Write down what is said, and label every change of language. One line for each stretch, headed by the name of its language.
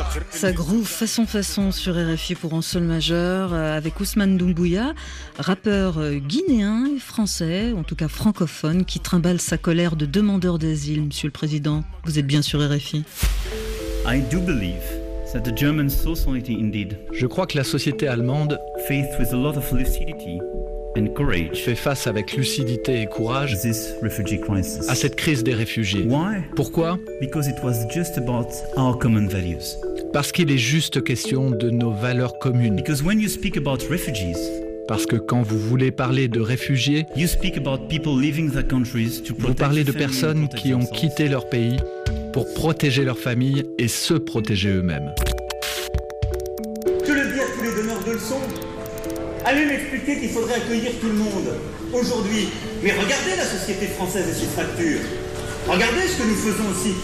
French: Ça groove façon sur RFI pour en sol majeur avec Ousmane Doumbouya, rappeur guinéen et français, en tout cas francophone, qui trimballe sa colère de demandeur d'asile. Monsieur le Président, vous êtes bien sur RFI.
English: I do believe that the German society indeed.
French: Je crois que la société allemande
English: faced with a lot of lucidity. And courage.
French: Fait face avec lucidité et courage
English: this refugee crisis.
French: À cette crise des réfugiés.
English: Why?
French: Pourquoi?
English: Because it was just about our common values.
French: Parce qu'il est juste question de nos valeurs communes.
English: Because when you speak about refugees,
French: parce que quand vous voulez parler de réfugiés,
English: you speak about people leaving their countries to protect
French: vous parlez de personnes qui ont quitté leur pays pour protéger leur famille et se protéger eux-mêmes. Que le dire tous les donneurs de leçons? Allez m'expliquer qu'il faudrait accueillir tout le monde, aujourd'hui. Mais regardez la société française et ses fractures. Regardez ce que nous faisons aussi.